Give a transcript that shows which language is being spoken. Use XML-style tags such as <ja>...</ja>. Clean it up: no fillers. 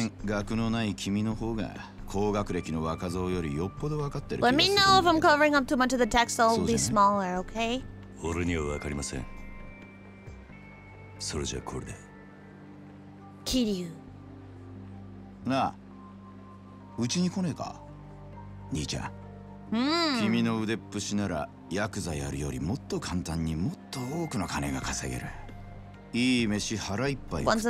<ja>ダン俺も長いことこの街で金貸しやってるからよくわかる今の世の中金の本当の価値が分かってるやつなんてほとんどいやしないその点学のない君の方が 高学歴の若造よりよっぽど分かってる</ja> <en>Let me know if I'm covering up too much of the text, so I'll be smaller, okay?</en> <ja>俺には分かりません それじゃこれで Kiryu なあ うちに来ねえか? 兄ちゃん君の腕っぷしなら ヤクザやるよりもっと簡単にもっと多くの金が稼げる いい飯腹いっぱい食って</ja>